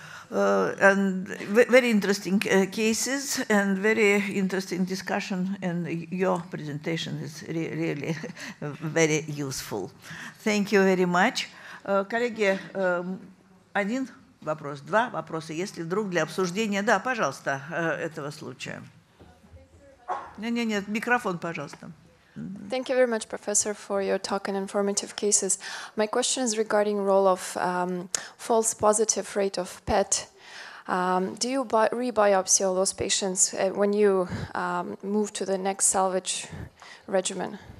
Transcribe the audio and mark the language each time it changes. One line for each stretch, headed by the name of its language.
English: And very interesting cases and very interesting discussion, and your presentation is really very useful. Thank you very much.
Russian: Коллеги, один вопрос, два вопроса, если вдруг для обсуждения, да, пожалуйста, этого случая. Нет, микрофон, пожалуйста.
English: Thank you very much, Professor, for your talk and informative cases. My question is regarding role of false positive rate of PET. Do you re-biopsy all those patients when you move to the next salvage regimen?